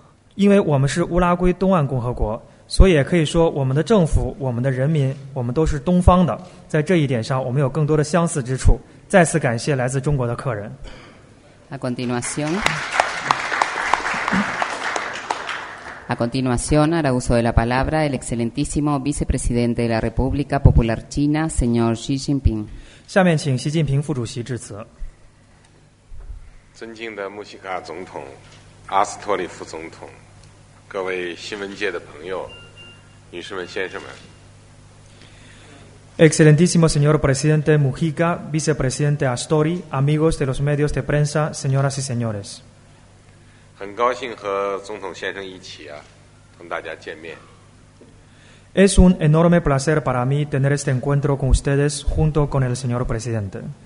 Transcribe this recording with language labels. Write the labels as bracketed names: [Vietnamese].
[Chinese] 我们感到非常高兴，现在呢，我们两国的这些主要的会谈、会见活动都已经结束了，双方还签署了一系列众多的重要协议。非常感谢来自中国的尊贵客人以及您所率领的代表团。我非常热切地希望我们双边关系能够不断地得到深化，乌拉圭的大门永远向贵国敞开，因为我们是乌拉圭东岸共和国。所以也可以说，我们的政府、我们的人民，我们都是东方的。在这一点上，我们有更多的相似之处。再次感谢来自中国的客人。 [Spanish] A continuación hará uso de la palabra el excelentísimo vicepresidente de la República Popular China, señor Xi Jinping. [Chinese] 下面请习近平副主席致辞。尊敬的穆西卡总统、阿斯托里夫总统，各位新闻界的朋友。 [Spanish] Excelentísimo señor presidente Mujica, vicepresidente Astori, amigos de los medios de prensa, señoras y señores. [Chinese] 很高兴和总统先生一起啊，同大家见面。 [Spanish] Es un enorme placer para mí tener este encuentro con ustedes junto con el señor presidente.